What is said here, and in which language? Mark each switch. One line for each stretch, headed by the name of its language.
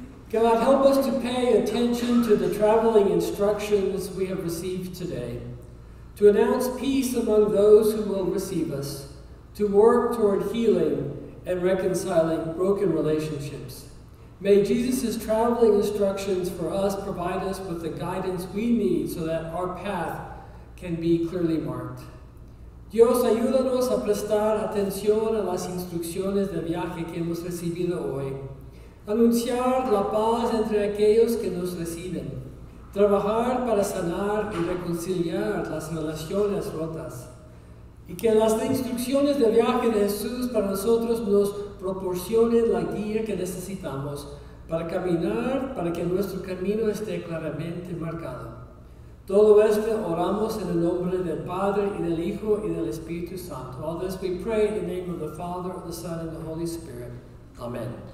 English: God, help us to pay attention to the traveling instructions we have received today, to announce peace among those who will receive us, to work toward healing and reconciling broken relationships. May Jesus' traveling instructions for us provide us with the guidance we need so that our path can be clearly marked.
Spanish: Dios, ayúdanos a prestar atención a las instrucciones de viaje que hemos recibido hoy. Anunciar la paz entre aquellos que nos reciben. Trabajar para sanar y reconciliar las relaciones rotas. Y que las instrucciones de viaje de Jesús para nosotros nos proporcionen la guía que necesitamos para caminar, para que nuestro camino esté claramente marcado. Todo esto oramos en el nombre del Padre, y del Hijo, y del Espíritu Santo.
English: All this we pray in the name of the Father, of the Son, and the Holy Spirit. Amen.